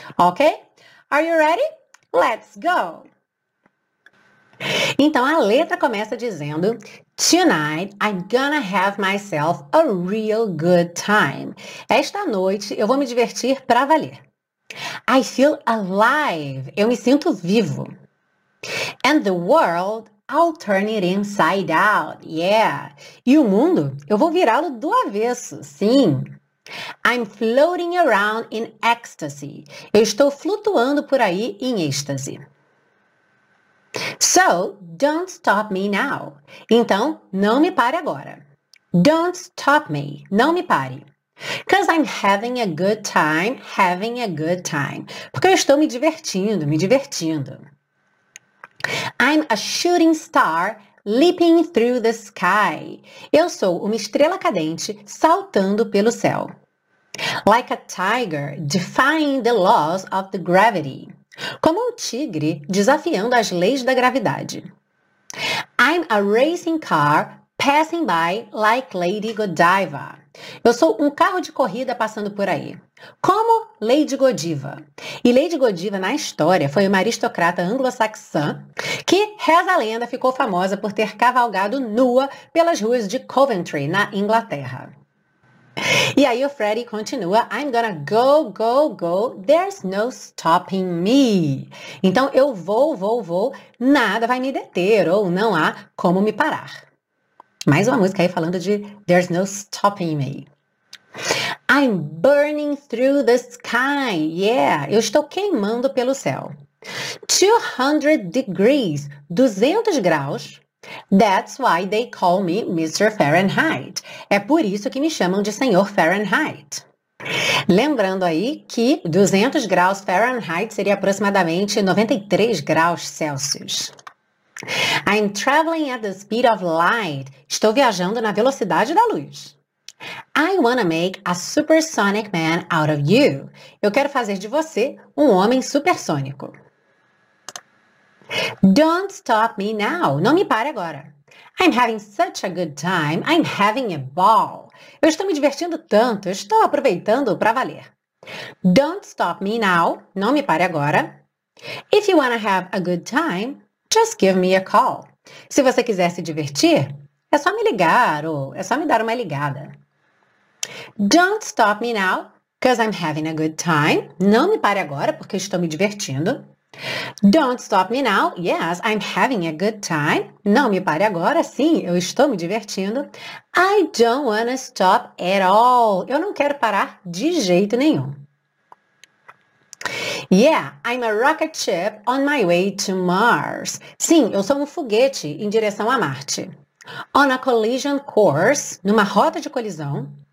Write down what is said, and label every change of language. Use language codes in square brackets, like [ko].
[en] Ok? Are you ready? Let's go! [pt] Então, a letra começa dizendo, [en] tonight I'm gonna have myself a real good time. [pt] Esta noite eu vou me divertir pra valer. [en] I feel alive. [pt] Eu me sinto vivo. [en] And the world, I'll turn it inside out. Yeah. [pt] E o mundo, eu vou virá-lo do avesso. Sim. [en] I'm floating around in ecstasy. [pt] Eu estou flutuando por aí em êxtase. [en] So, don't stop me now. [pt] Então, não me pare agora. [en] Don't stop me. [pt] Não me pare. [en] 'Cause I'm having a good time, having a good time. [pt] Porque eu estou me divertindo, me divertindo. [en] I'm a shooting star leaping through the sky. [pt] Eu sou uma estrela cadente saltando pelo céu. [en] Like a tiger defying the laws of the gravity. [pt] Como um tigre desafiando as leis da gravidade. [en] I'm a racing car passing by like Lady Godiva. [pt] Eu sou um carro de corrida passando por aí. Como Lady Godiva. E Lady Godiva, na história, foi uma aristocrata anglo-saxã que, reza a lenda, ficou famosa por ter cavalgado nua pelas ruas de Coventry, na Inglaterra. E aí o Freddy continua, [en] I'm gonna go, go, go, there's no stopping me. [pt] Então eu vou, vou, vou, nada vai me deter ou não há como me parar. Mais uma música aí falando de [en] there's no stopping me. I'm burning through the sky, yeah, [pt] eu estou queimando pelo céu. [en] 200 degrees, [pt] 200 graus, [en] That's why they call me Mr. Fahrenheit. [pt] É por isso que me chamam de Senhor Fahrenheit. Lembrando aí que 200 graus Fahrenheit seria aproximadamente 93 graus Celsius. [en] I'm traveling at the speed of light. [pt] Estou viajando na velocidade da luz. [en] I wanna make a supersonic man out of you. [pt] Eu quero fazer de você um homem supersônico. [en] Don't stop me now. [pt] Não me pare agora. [en] I'm having such a good time. I'm having a ball. [pt] Eu estou me divertindo tanto. Eu estou aproveitando para valer. [en] Don't stop me now. [pt] Não me pare agora. [en] If you wanna have a good time, just give me a call. [pt] Se você quiser se divertir, é só me ligar ou é só me dar uma ligada. [en] Don't stop me now, because I'm having a good time. [pt] Não me pare agora, porque eu estou me divertindo. [en] Don't stop me now, yes, I'm having a good time. [pt] Não me pare agora, sim, eu estou me divertindo. [en] I don't wanna stop at all. [pt] Eu não quero parar de jeito nenhum. [en] Yeah, I'm a rocket ship on my way to Mars. [pt] Sim, eu sou um foguete em direção a Marte. [en] On a collision course, [pt] numa rota de colisão.